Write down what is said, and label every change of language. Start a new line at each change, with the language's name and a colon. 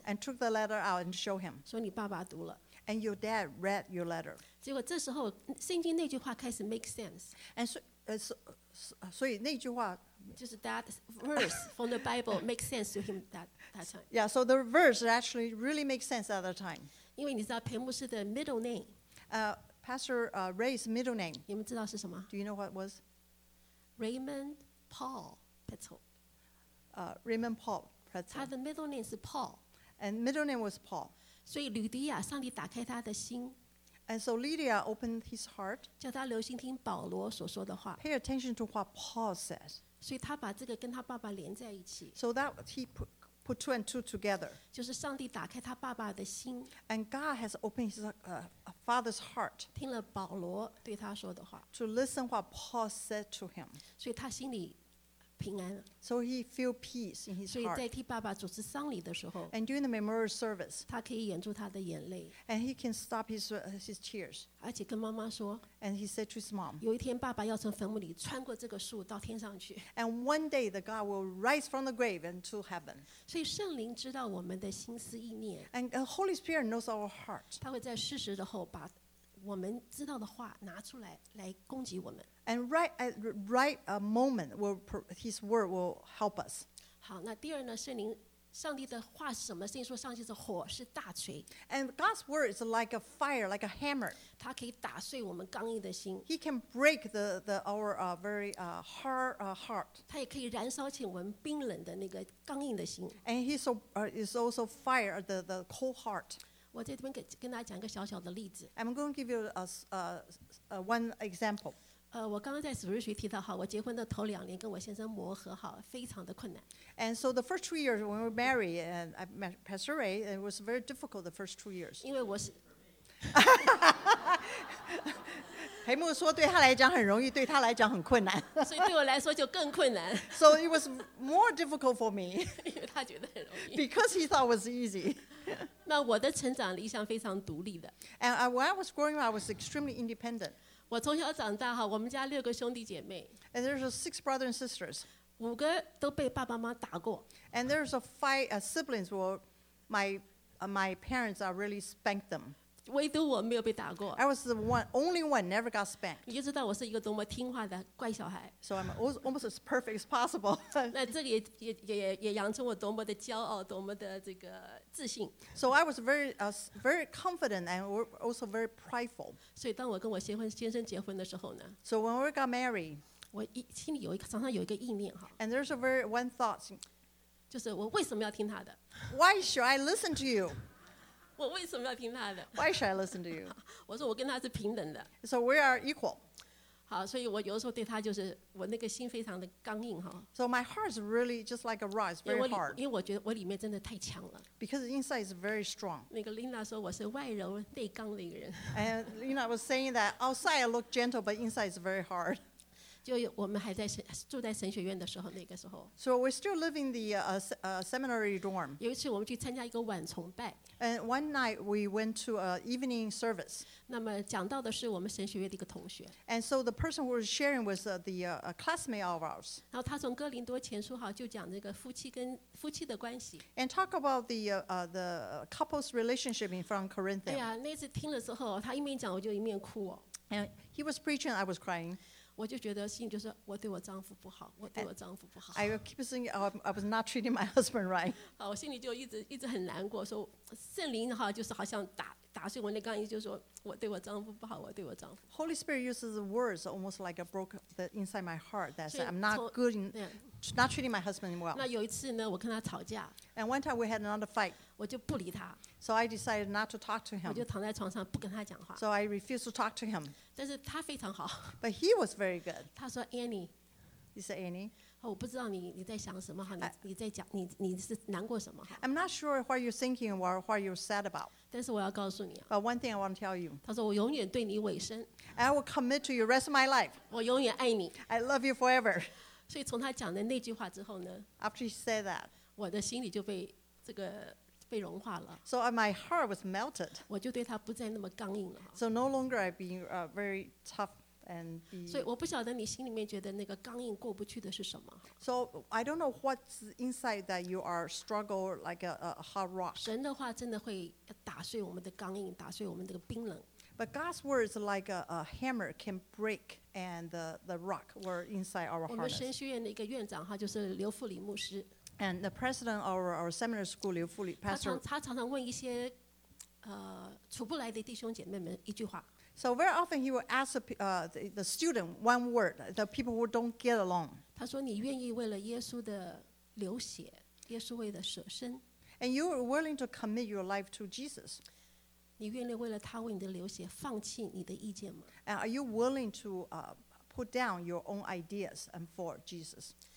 English: And took the letter out and show him.
Chinese: 说你爸爸读了。
English: And your dad read your letter.
Chinese: 结果这时候圣经那句话开始
English: make sense. And so
Chinese: 那句话就是
English: that verse from the Bible makes sense to him that time. Yeah, so the verse actually really makes sense at that time.
Chinese: 因为你知道裴牧师的 middle name.
English: Pastor Ray's middle name.
Chinese: 你们知道是什么
English: ？Do you know what it was? Raymond Paul Petzl. Raymond Paul. His middle name is Paul. And middle name was Paul.
Chinese: 所以吕迪亚，上帝打开他的心。
English: And so Lydia opened his heart.
Chinese: 叫他留心听保罗所说的话。
English: Pay attention to what Paul says.
Chinese: 所以他把这个跟他爸爸连在一起。
English: So that he put two and two together.
Chinese: 就是上帝打开他爸爸的心。
English: And God has opened his father's heart.
Chinese: 听了保罗对他说的话。
English: To listen what Paul said to him.
Chinese: 所以他心里。平安。
English: So he feel peace in his heart.
Chinese: 所以在替爸爸主持丧礼的时候
English: ，and during the memorial service,
Chinese: 他可以掩住他的眼泪
English: ，and he can stop his tears.
Chinese: 而且跟妈妈说
English: ，and he said to his mom,
Chinese: 有一天爸爸要从坟墓里穿过这个树到天上去
English: ，and one day the God will rise from the grave and to heaven.
Chinese: 所以圣灵知道我们的心思意念
English: ，and the Holy Spirit knows our heart.
Chinese: 他会在适时的后把我们知道的话拿出来来攻击我们。
English: And right at right a moment, his word will help us.
Chinese: 好，那第二呢？圣灵，上帝的话是什么？圣经说，上帝是火，是大锤。
English: And God's word is like a fire, like a hammer.
Chinese: 它可以打碎我们刚硬的心。
English: He can break our very hard heart.
Chinese: 它也可以燃烧起我们冰冷的那个刚硬的心。
English: And he is also fire the cold heart.
Chinese: 我在这边跟大家讲一个小小的例子。
English: I'm going to give you one example.
Chinese: 我刚刚在主日学提到，我结婚的头两年跟我先生磨合好非常的困难。
English: And so the first 2 years when we were married and I met Pastor Ray, it was very difficult the first 2 years.
Chinese: 因为我是黑木说对他来讲很容易，对他来讲很困难。所以对我来说就更困难。
English: So it was more difficult for me.
Chinese: 因为他觉得很容易。
English: Because he thought it was easy.
Chinese: 那我的成长一向非常独立的。
English: And when I was growing up, I was extremely independent.
Chinese: 我从小长大，我们家六个兄弟姐妹。
English: And there's six brothers and sisters.
Chinese: 五个都被爸爸妈妈打过。
English: And there's five siblings where my parents are really spanked them.
Chinese: 唯独我没有被打过。
English: I was the one, only one never got spanked.
Chinese: 你就知道我是一个多么听话的乖小孩。
English: So I'm almost as perfect as possible.
Chinese: 那这个也养成我多么的骄傲，多么的这个自信。
English: So I was very confident and also very prideful.
Chinese: 所以当我跟我先生结婚的时候呢
English: ？So when we got married,
Chinese: 我心里常常有一个意念哈。
English: And there's a very one thought,
Chinese: 就是我为什么要听他的
English: ？Why should I listen to you?
Chinese: 我为什么要听他的
English: ？Why should I listen to you？
Chinese: 我说我跟他是平等的。
English: So we are equal。
Chinese: 好，所以我有的时候对他就是我那个心非常的刚硬哈。
English: So my heart is really just like a rock, very hard。
Chinese: 因为我觉得我里面真的太强了。
English: Because inside is very strong。
Chinese: 那个 Lina 说我是外柔内刚的一个人。
English: And Lina was saying that outside I look gentle, but inside is very hard。
Chinese: 就我们还在住在神学院的时候，那个时候。
English: So we're still living in the seminary dorm。
Chinese: 有一次我们去参加一个晚崇拜。
English: And one night we went to an evening service.
Chinese: 那么讲到的是我们神学院的一个同学。
English: And so the person who was sharing was the classmate of ours.
Chinese: 然后他从哥林多前书就讲这个夫妻的关系。
English: And talk about the couple's relationship in from Corinthians.
Chinese: 哎呀，那次听了之后，他一面讲我就一面哭哦。
English: And he was preaching, I was crying.
Chinese: 我就觉得心里就是我对我丈夫不好，我对我丈夫不好。
English: I keep saying I was not treating my husband right.
Chinese: 好，我心里就一直很难过，说圣灵哈就是好像打碎我那钢琴，就说我对我丈夫不好，我对我丈夫。
English: Holy Spirit uses the words almost like a broke the inside my heart that I'm not good in not treating my husband well.
Chinese: 那有一次呢，我跟他吵架。
English: And one time we had another fight.
Chinese: 我就不理他。
English: So I decided not to talk to him.
Chinese: 我就躺在床上不跟他讲话。
English: So I refused to talk to him.
Chinese: 但是他非常好。
English: But he was very good.
Chinese: 他说 Annie.
English: He said Annie.
Chinese: 我不知道你在想什么，你在讲你是难过什么。
English: I'm not sure what you're thinking or what you're sad about.
Chinese: 但是我要告诉你。
English: But one thing I want to tell you.
Chinese: 他说我永远对你委身。
English: I will commit to you the rest of my life.
Chinese: 我永远爱你。
English: I love you forever.
Chinese: 所以从他讲的那句话之后呢
English: ？After he said that,
Chinese: 我的心里就被这个被融化了。
English: So my heart was melted.
Chinese: 我就对他不再那么刚硬了。
English: So no longer I've been very tough. And so I don't know what you think that the hard thing is going to go over. So I don't know what's inside that you are struggling like a hard rock.
Chinese: 神的话真的会打碎我们的刚硬，打碎我们这个冰冷。
English: But God's word is like a hammer can break and the rock were inside our hearts.
Chinese: 我们神学院的一个院长就是刘富里牧师。
English: And the president of our seminary school, 刘富里 pastor.
Chinese: 他常常问一些处不来的弟兄姐妹们一句话。
English: So very often he will ask the student one word, the people who don't get along.
Chinese: 他说你愿意为了耶稣的流血，耶稣为了舍身。
English: And you are willing to commit your life to Jesus.
Chinese: 你愿意为了他为你的流血放弃你的意见吗？
English: And are you willing to put down your own ideas and for Jesus?